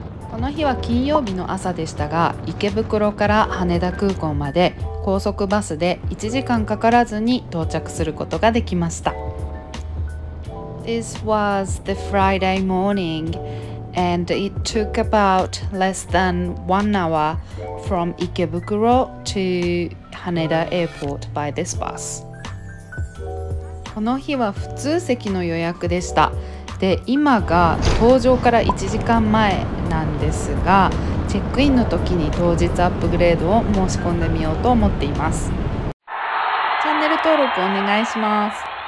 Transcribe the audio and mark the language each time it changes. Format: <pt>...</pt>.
<ja>この日は金曜日の朝でしたが、池袋から羽田空港まで高速バスで1時間かからずに到着することができました。</ja> <en>This was the Friday morning and it took about less than 1 hour from 池袋 to 羽田 airport by this bus。</en> <ja>この日は普通席の予約でした。で、今が搭乗から1時間前なんですが、チェックインの時に当日アップグレードを申し込んでみようと思っています。チャンネル登録お願いします。</ja>